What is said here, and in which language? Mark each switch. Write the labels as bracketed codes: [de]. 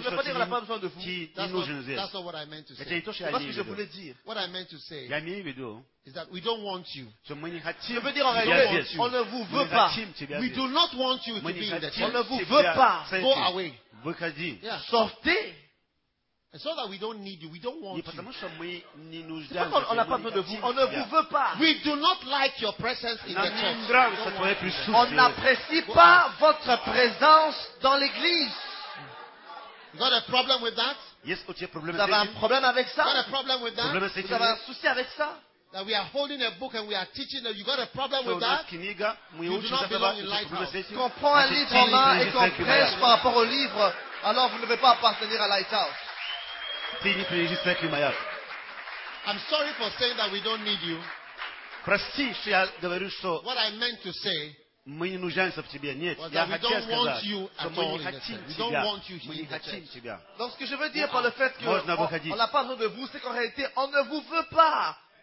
[fr] veut pas dire qu'on n'a pas besoin de vous. [en] That's not what I meant to say. [fr] C'est pas ce que je voulais dire. [en] What I meant to say is that we don't want you. [fr] Ça veut dire en réalité, on ne vous veut pas. [en] We do not want you to be in the church. [fr] On ne vous veut pas. [en] Go away. [fr] Sortez. [en] It's not that we don't need you. We don't want you. [fr] C'est pas qu'on n'a pas besoin de vous. On ne vous veut pas. [en] We do not like your presence in the church. [fr] On n'apprécie pas votre présence dans l'église. [en] You got a problem with that? Yes, [fr] vous avez un problème avec ça? [en] Got a problem with that? [fr] Vous avez un souci avec ça? [en] That we are holding a book and we are teaching them. You got a problem with that? You do not belong in Lighthouse. [fr] Qu'on prend un livre en main et qu'on prêche par rapport au livre, alors vous ne devez pas appartenir à Lighthouse. [en] I'm sorry for saying that we don't need you. [ru] Прости, что я говорю, что [en] what I meant to say [ru] мы не нуждаемся в тебе. Нет, я хотел сказать, что мы не хотим тебя. Мы не хотим тебя. [fr] Donc ce que je veux dire par le fait que on n'a pas besoin de vous, c'est qu'en réalité on ne vous veut pas.